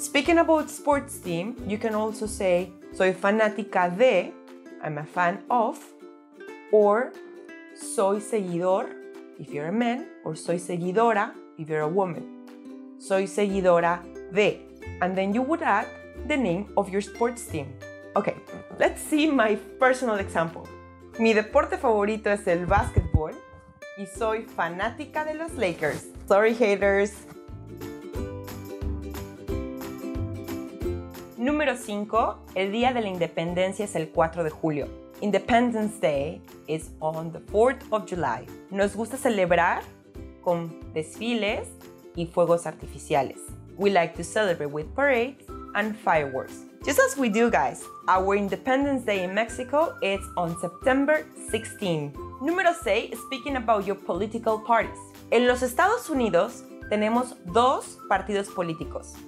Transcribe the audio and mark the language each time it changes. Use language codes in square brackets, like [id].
[en] Speaking about sports team, you can also say [es] soy fanática de, [en] I'm a fan of, or [es] soy seguidor, [en] if you're a man, or [es] soy seguidora, [en] if you're a woman. [es] Soy seguidora de. [en] And then you would add the name of your sports team. Okay, let's see my personal example. [es] Mi deporte favorito es el basketball, y soy fanática de los Lakers. [en] Sorry, haters. [es] Número 5, el Día de la Independencia es el 4 de julio. [en] Independence Day is on the 4th of July. [es] Nos gusta celebrar con desfiles y fuegos artificiales. [en] We like to celebrate with parades and fireworks. Just as we do, guys, our Independence Day in Mexico is on September 16. [es] Número 6, [en] speaking about your political parties. [es] En los Estados Unidos, tenemos dos partidos políticos.